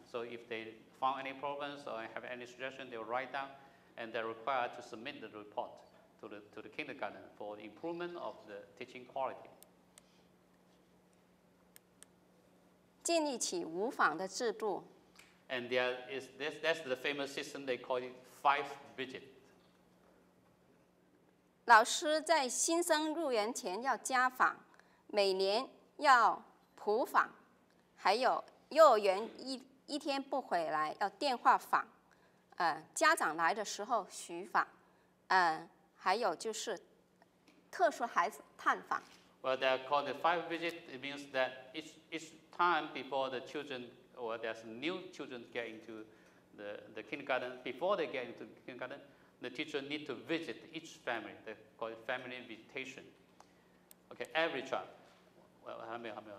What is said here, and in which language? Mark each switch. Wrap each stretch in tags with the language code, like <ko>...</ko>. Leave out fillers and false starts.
<en>So if they found any problems or have any suggestion, they will write down and they're required to submit the report to the kindergarten for the improvement of the teaching quality.</en> <zh>建立起无纺的制度。</zh> <en>And that's the famous system they call it five visit.</en> <zh>老师在新生入园前要家访，每年要普访，还有幼儿园一天不回来要电话访，家长来的时候巡访，还有就是特殊孩子探访。</zh> <en>Well, they are called the five visit. It means that each time before the children or there's new children get into the kindergarten, before they get into the kindergarten, the teacher need to visit each family. They call it family visitation. Okay, every child. Well,</en> <zh>还没有。</zh>